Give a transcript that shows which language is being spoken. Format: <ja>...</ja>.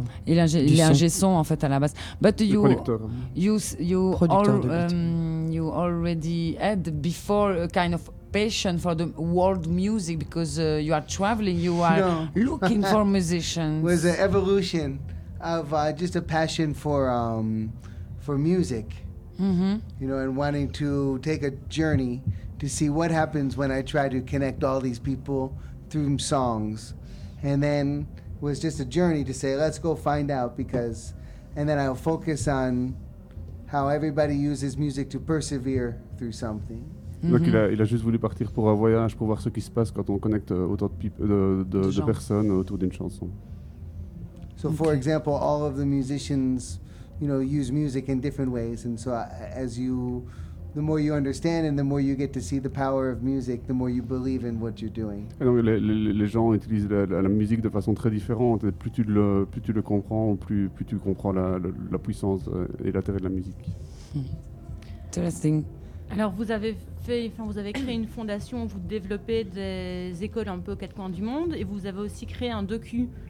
<fr>Il est ingé son en fait à la base.</fr> <en>But you you already had before a kind of passion for the world music, because you are traveling, you are looking for musicians. It was an evolution of just a passion for music, mm-hmm. you know, and wanting to take a journey to see what happens when I try to connect all these people through songs. And then it was just a journey to say, let's go find out, because, and then I'll focus on how everybody uses music to persevere through something. Mm-hmm.</en> <fr>Donc il a juste voulu partir pour un voyage, pour voir ce qui se passe quand on connecte autant de personnes autour d'une chanson.</fr> <en>So okay. For example, all of the musicians, you know, use music in different ways, and so as you, the more you understand and the more you get to see the power of music, the more you believe in what you're doing.</en> <fr>Et donc les gens utilisent la musique de façon très différente, et plus tu le comprends, plus tu comprends la puissance et l'intérêt de la musique.</fr> <en>Interesting.</en> <fr>Alors vous avez créé une fondation, vous développez des écoles un peu aux quatre coins du monde, et vous avez aussi créé un docu.</fr>